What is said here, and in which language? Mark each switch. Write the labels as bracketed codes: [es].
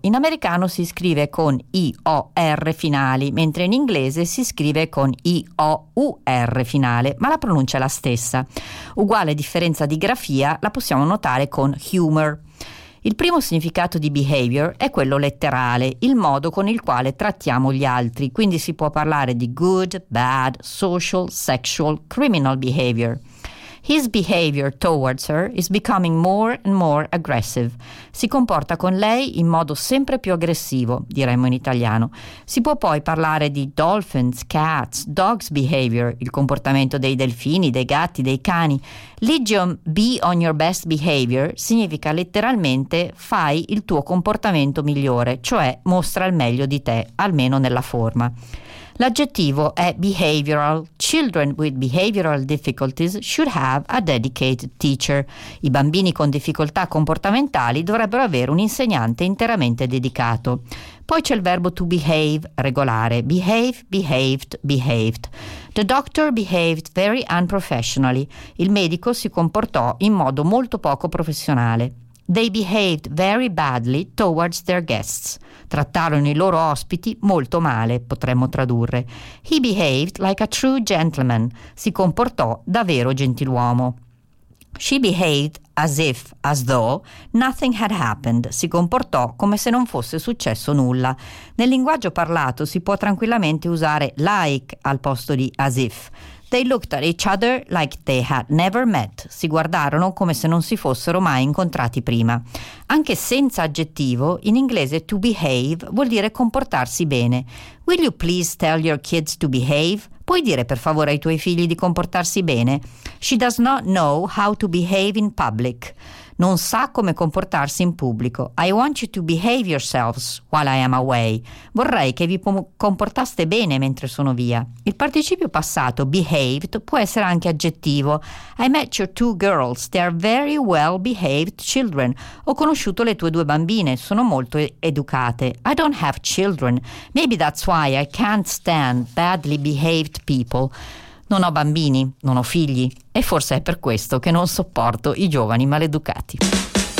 [it] In americano si scrive con I-O-R finali, mentre in inglese si scrive con I-O-U-R finale, ma la pronuncia è la stessa. Uguale differenza di grafia la possiamo notare con humor. Il primo significato di behavior è quello letterale, il modo con il quale trattiamo gli altri, quindi si può parlare di [en] good, bad, social, sexual, criminal behavior. His behavior towards her is becoming more and more aggressive. [it] Si comporta con lei in modo sempre più aggressivo, diremmo in italiano. Si può poi parlare di [en] dolphins, cats, dogs behavior, [it] il comportamento dei delfini, dei gatti, dei cani. L'idiom [en] be on your best behavior [it] significa letteralmente fai il tuo comportamento migliore, cioè mostra il meglio di te, almeno nella forma. L'aggettivo è behavioral. [en] Children with behavioral difficulties should have a dedicated teacher. [it] I bambini con difficoltà comportamentali dovrebbero avere un insegnante interamente dedicato. Poi c'è il verbo to behave, regolare. Behave, behaved, behaved. [en] The doctor behaved very unprofessionally. [it] Il medico si comportò in modo molto poco professionale. [en] They behaved very badly towards their guests. [it] Trattarono i loro ospiti molto male, potremmo tradurre. [en] He behaved like a true gentleman. [it] Si comportò da vero gentiluomo. [en] She behaved as if, as though, nothing had happened. [it] Si comportò come se non fosse successo nulla. Nel linguaggio parlato si può tranquillamente usare like al posto di as if. [en] They looked at each other like they had never met. [it] Si guardarono come se non si fossero mai incontrati prima. Anche senza aggettivo, in inglese to behave vuol dire comportarsi bene. [en] Will you please tell your kids to behave? [it] Puoi dire per favore ai tuoi figli di comportarsi bene? [en] She does not know how to behave in public. [it] Non sa come comportarsi in pubblico. [en] I want you to behave yourselves while I am away. [it] Vorrei che vi comportaste bene mentre sono via. Il participio passato, behaved, può essere anche aggettivo. [en] I met your two girls. They are very well behaved children. [it] Ho conosciuto le tue due bambine. Sono molto educate. [en] I don't have children. Maybe that's why I can't stand badly behaved people. [it] Non ho bambini, non ho figli, e forse è per questo che non sopporto i giovani maleducati.